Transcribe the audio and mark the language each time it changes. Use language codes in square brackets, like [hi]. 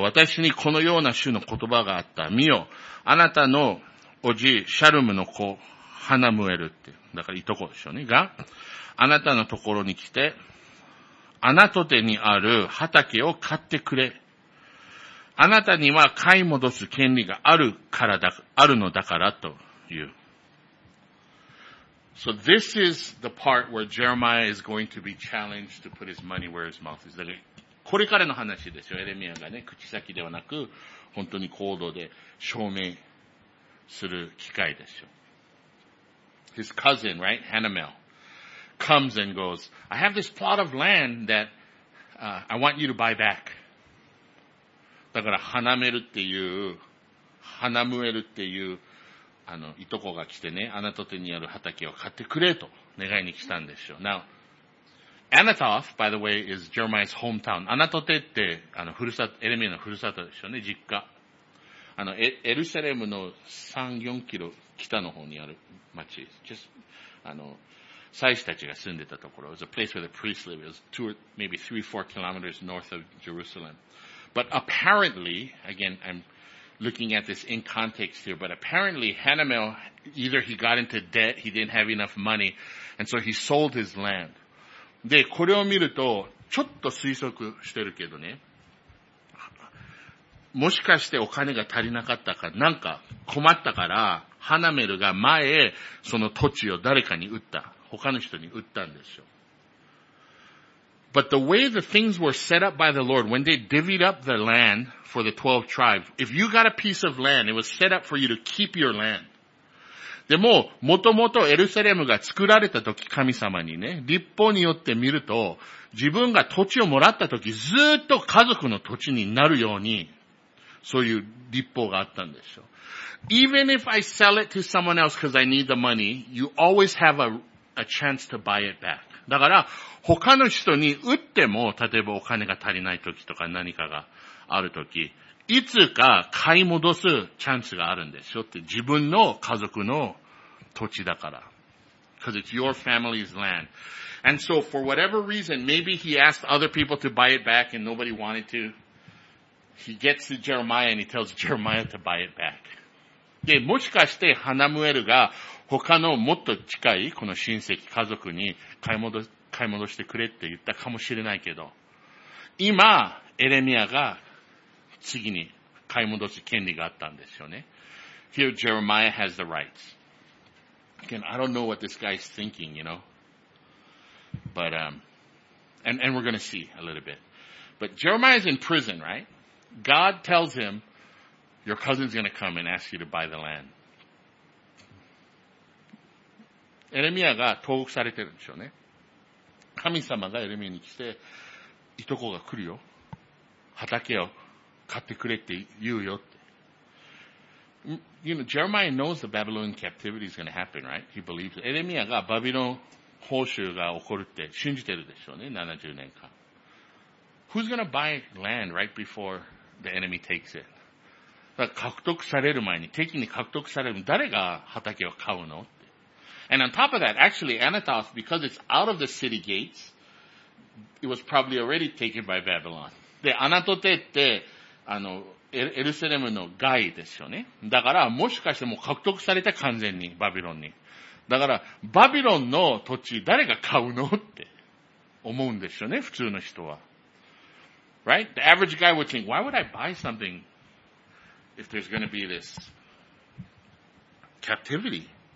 [ja] 私にこのような主の言葉があった。見よ。あなたのおじい、シャルムの子、ハナムエルって。だからいとこでしょうね。が、あなたのところに来て、あなたてにある畑を買ってくれ。あなたには買い戻す権利があるからだ、あるのだからという。 [en] So this is the part where Jeremiah is going to be challenged to put his money where his mouth is. [ja] これからの話ですよ。エレミアがね、口先ではなく、本当に行動で証明する機会ですよ。 [en] His cousin, right? Hanamel. Comes and goes, I have this plot of land that, I want you to buy back. [ja] だから、ハナメルっていう、ハナムエルっていう、いとこが来てね、アナトテにある畑を買ってくれと願いに来たんですよ。 [en] Now, Anathoth, by the way, is Jeremiah's hometown. [ja] アナトテって、ふるさと、エレミアのふるさとでしょうね、実家。エルサレムの3、4キロ北の方にある町です。 [en] Just, [ja] 祭司たちが住んでたところ。 [en] It was a place where the priests lived. It was two, maybe three, four kilometers north of Jerusalem. But apparently, again, I'm looking at this in context here, but apparently Hanamel, either he got into debt, he didn't have enough money, and so he sold his land. [ja] で、これを見ると、ちょっと推測してるけどね。もしかしてお金が足りなかったか、なんか困ったから、ハナメルが前へその土地を誰かに売った。他の人に売ったんですよ。 [en] But the way the things were set up by the Lord, when they divvied up the land for the 12 tribes, if you got a piece of land, it was set up for you to keep your land. [ja] でも、もともとエルサレムが作られた時、神様にね、立法によって見ると、自分が土地をもらった時、ずっと家族の土地になるように、そういう立法があったんですよ。 [en] Even if I sell it to someone else because I need the money, you always have a chance to buy it back. [ja] だから、他の人に売っても、例えばお金が足りない時とか何かがある時、いつか買い戻すチャンスがあるんですよって、自分の家族の土地だから。 [en] Because it's your family's land. And so, for whatever reason, maybe he asked other people to buy it back and nobody wanted to. He gets to Jeremiah and he tells Jeremiah to buy it back. [ja] で、もしかしてハナムエルが、他のもっと近いこの親戚家族に買い戻してくれって言ったかもしれないけど、今エレミアが次に買い戻す権利があったんですよね。 [en] Here Jeremiah has the rights. Again, I don't know what this guy's thinking, you know. But and we're gonna see a little bit. But Jeremiah's in prison, right? God tells him, your cousin's gonna come and ask you to buy the land. [ja] エレミアが投獄されてるんでしょうね。神様がエレミアに来て、いとこが来るよ。畑を買ってくれって言うよって。 [en] You know, Jeremiah knows the Babylonian captivity is going to happen, right? He believes. [ja] エレミアがバビロン報酬が起こるって信じてるでしょうね、70年間。 [en] Who's going to buy land right before the enemy takes it? [ja] だから獲得される前に、敵に獲得される前に、誰が畑を買うの？ [en] And on top of that, actually, Anathoth, because it's out of the city gates, it was probably already taken by Babylon. [ja] で、アナトテって、エルサレムの外ですよね。だから、もしかしてもう獲得されて完全に、バビロンに。だから、バビロンの土地、誰が買うのって思うんですよね、普通の人は。 [en] Right? The average guy would think, why would I buy something if there's going to be this captivity?